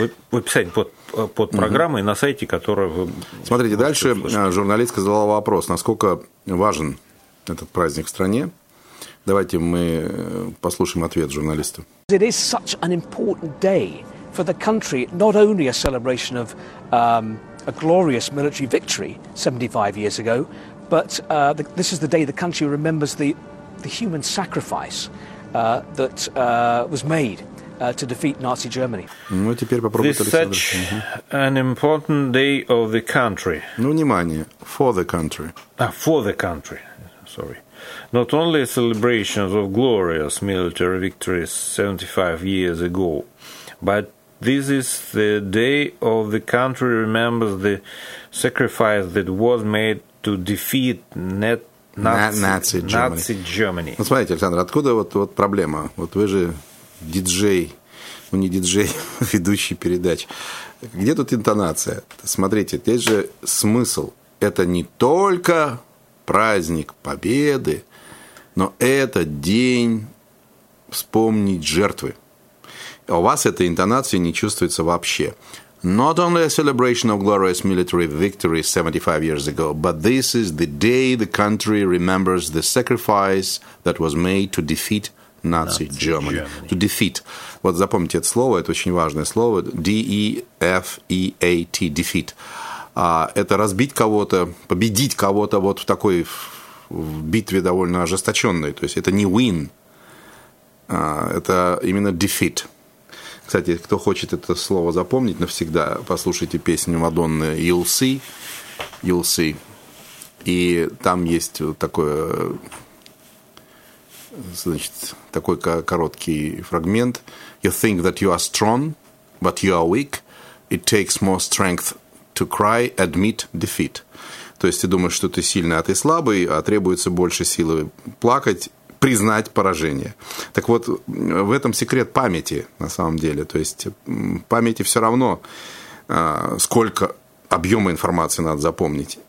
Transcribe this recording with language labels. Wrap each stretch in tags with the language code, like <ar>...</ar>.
<ru>В описании под программой на сайте, которую вы... Смотрите, дальше услышать. Журналистка задала вопрос, насколько важен этот праздник в стране. Давайте мы послушаем ответ журналиста.</ru> <en>It is such an important day for the country, not only a celebration of a glorious military victory 75 years ago, but this is the day the country remembers the human sacrifice that was made. To defeat Nazi Germany.</en> <ru>Ну, теперь попробуйте, Александр.</ru> <en>This is such an important day of the country.</en> <ru>Ну, внимание,</ru> <en>for the country. For the country, sorry. Not only celebrations of glorious military victories 75 years ago, but this is the day of the country remembers the sacrifice that was made to defeat Nazi Germany.</en> <ru>Ну, смотрите, Александр, откуда вот проблема? Вот вы же... диджей, ну не диджей, ведущий передач. Где тут интонация? Смотрите, здесь же смысл. Это не только праздник победы, но это день вспомнить жертвы. У вас эта интонация не чувствуется вообще.</ru> <en>Not only a celebration of glorious military victory 75 years ago, but this is the day the country remembers the sacrifice that was made to defeat Nazi Germany. To defeat.</en> <ru>Вот запомните это слово, это очень важное слово.</ru> <en>D-E-F-E-A-T. Defeat.</en> <ru>Это разбить кого-то, победить кого-то вот в такой в битве довольно ожесточенной. То есть это не win. Это именно defeat. Кстати, кто хочет это слово запомнить навсегда, послушайте песню Мадонны You'll See. You'll See. И там есть вот такое... Значит, такой короткий фрагмент.</ru> <en>You think that you are strong, but you are weak. It takes more strength to cry, admit defeat.</en> <ru>То есть ты думаешь, что ты сильный, а ты слабый, а требуется больше силы плакать, признать поражение. Так вот, в этом секрет памяти, на самом деле. То есть памяти все равно, сколько объема информации надо запомнить.</ru>